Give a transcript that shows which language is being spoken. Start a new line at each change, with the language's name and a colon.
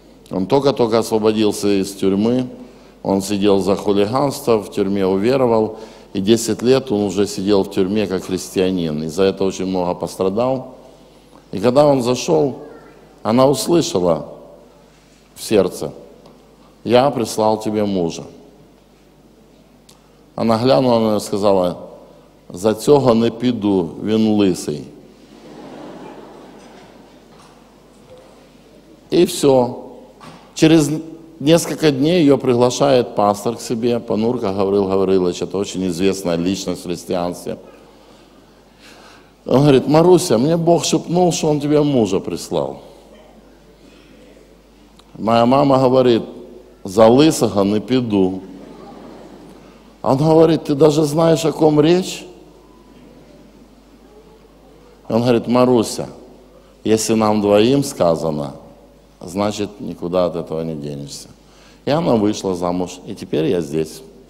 Russian: Он только-только освободился из тюрьмы. Он сидел за хулиганство, в тюрьме уверовал. И 10 лет он уже сидел в тюрьме как христианин. И за это очень много пострадал. И когда он зашел, она услышала в сердце, «Я прислал тебе мужа». Она глянула на нее и сказала,
Ukrainian: «За цього не піду, він лисий».
Russian: И все. Через несколько дней ее приглашает пастор к себе, Понурко Гаврил Гаврилович, это очень известная личность в христианстве. Он говорит, «Маруся, мне Бог шепнул, что он тебе мужа прислал». Моя мама говорит,
Ukrainian: «За лисого не піду».
Russian: Он говорит, «Ты даже знаешь, о ком речь?» Он говорит, «Маруся, если нам двоим сказано, значит, никуда от этого не денешься». И она вышла замуж, и теперь я здесь.